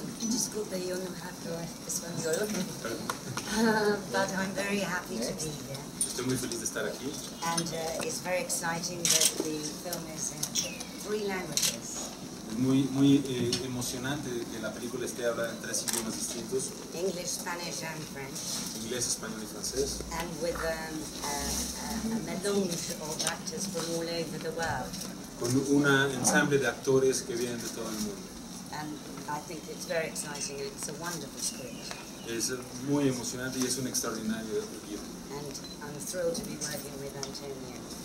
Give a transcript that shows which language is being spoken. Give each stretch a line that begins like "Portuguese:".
Spanish: Disculpe, yo no hablo español,
English: but I'm very happy to be here.
Spanish: Estoy muy feliz de estar aquí.
English: And it's very exciting that the film is in three languages.
Spanish: Muy emocionante que la película esté hablada en tres idiomas distintos.
English: English, Spanish and French.
Spanish: Inglés, español y francés.
English: And with a melange of actors from all over the world.
Spanish: Con una ensamble de actores que vienen de todo el mundo.
English: And I think it's very exciting and it's a wonderful script.
Spanish: Es muy emocionante y es un extraordinario guion.
English: And I'm thrilled to be working with Antonio.